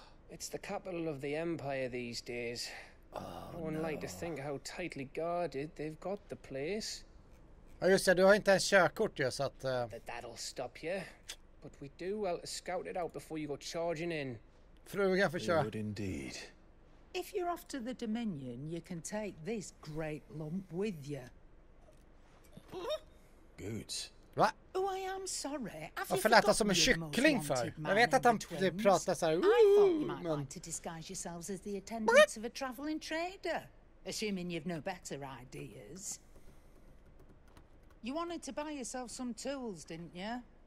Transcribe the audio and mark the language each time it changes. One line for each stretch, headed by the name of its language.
English: It's the capital of the empire these days. Oh, one no. Like to think how tightly guarded they've got the place.
Swedish: Ja, just det, du har inte ens körkort ju, så att
English: That'll stop you. But we do well to scout it out before you go charging in. Fruga för kör. Good indeed. If you're off to the Dominion, you can take this great lump with you. Good.
Swedish: Va?
English: Oh, I am sorry.
Swedish: Varför lät han som en kyckling för? Jag vet att han pratar så här.
English: I thought you might want to disguise yourselves as the attendants of a traveling trader. Assuming you've no better ideas. You wanted to buy yourself some tools, didn't you?